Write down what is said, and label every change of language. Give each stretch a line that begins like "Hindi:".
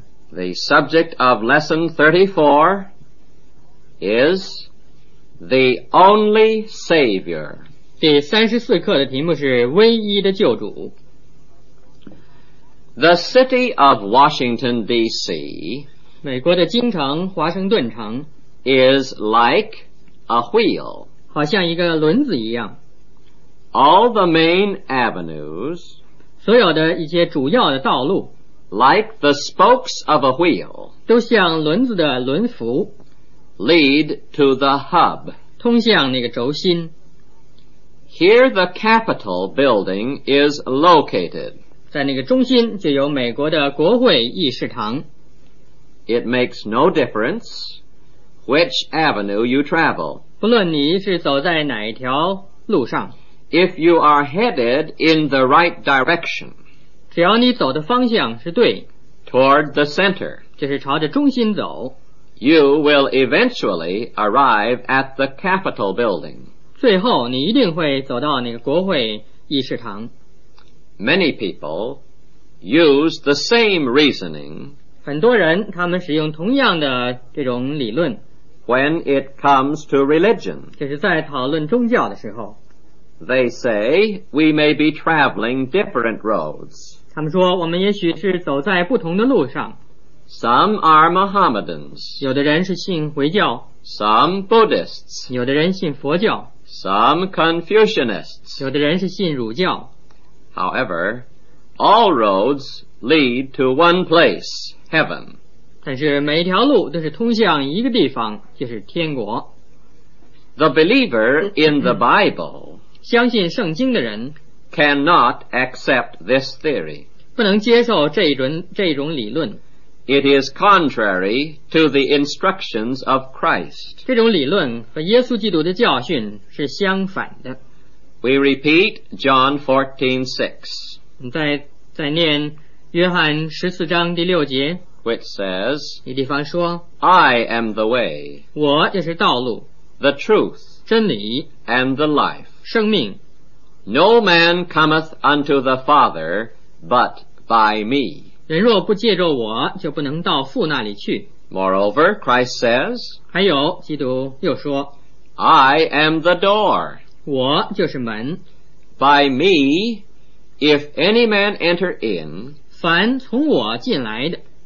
English: The subject of lesson 34 is the only Savior.
Chinese: 第三十四课的题目是唯一的救主。
English: The city of Washington, D.C.
Chinese: 美国的京城华盛顿城
English: is like a wheel.
Chinese: 好像一个轮子一样。
English: All the main avenues.
Chinese: 所有的一些主要的道路
English: like the spokes of a wheel
Chinese: 都像轮子的轮辐
English: lead to the hub
Chinese: 通向那个轴心。
English: Here the Capitol building is located
Chinese: 在那个中心就有美国的国会议事堂。
English: It makes no difference which avenue you travel
Chinese: 不论你是走在哪一条路上。
English: If you are headed in the right direction,
Chinese: 只要你走的方向是对
English: toward the center,
Chinese: 就是朝着中心走
English: you will eventually arrive at the Capitol building.
Chinese: 最后你一定会走到那个国会议事堂。
English: Many people use the same reasoning,
Chinese: 很多人他们使用同样的这种理论
English: when it comes to religion,
Chinese: 就是在讨论宗教的时候。
English: They say we may be traveling different roads.
Chinese: 他们说我们也许是走在不同的路上。
English: Some are Mohammedans.
Chinese: 有的人是信回教。
English: Some Buddhists.
Chinese: 有的人信佛教。
English: Some Confucianists.
Chinese: 有的人是信儒教。
English: However, all roads lead to one place, heaven.
Chinese: 但是每一条路都是通向一个地方，就是天国。
English: The believer in the Bible.
Chinese: 相信圣经的人
English: cannot accept this theory
Chinese: 不能接受这种理论。
English: It is contrary to the instructions of Christ
Chinese: 这种理论和耶稣基督的教训是相反的。
English: We repeat John 14:6
Chinese: 再念约翰十四章第六节
English: which says
Chinese: 一地方说
English: I am the way
Chinese: 我就是道路
English: the truth
Chinese: 真理
English: and the life
Chinese: 生命。
English: No man cometh unto the Father but by me
Chinese: 人若不借着我就不能到父那里去。
English: Moreover, Christ says
Chinese: 还有基督又说
English: I am the door
Chinese: 我就是门。
English: By me, if any man enter in
Chinese: 凡从我进来的